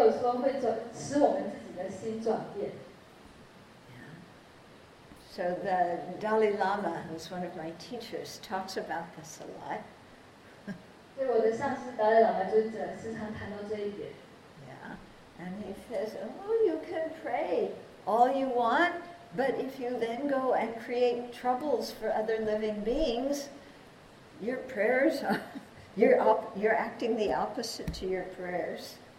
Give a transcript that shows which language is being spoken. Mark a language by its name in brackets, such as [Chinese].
[Chinese] 那我们心里讲还是口头上讲哦，观音你真好，啊，普贤菩萨真棒，但是这样其实没有说会转，使我们自己的心转变。 [English] So the Dalai Lama, who's one of my teachers, talks about this a lot. [Chinese] 对，我的上司达赖喇嘛就时常谈到这一点。 [English] Yeah, and he says, "Oh, you can pray all you want, but if you then go and create troubles for other living beings, your prayers are you're acting the opposite to your prayers."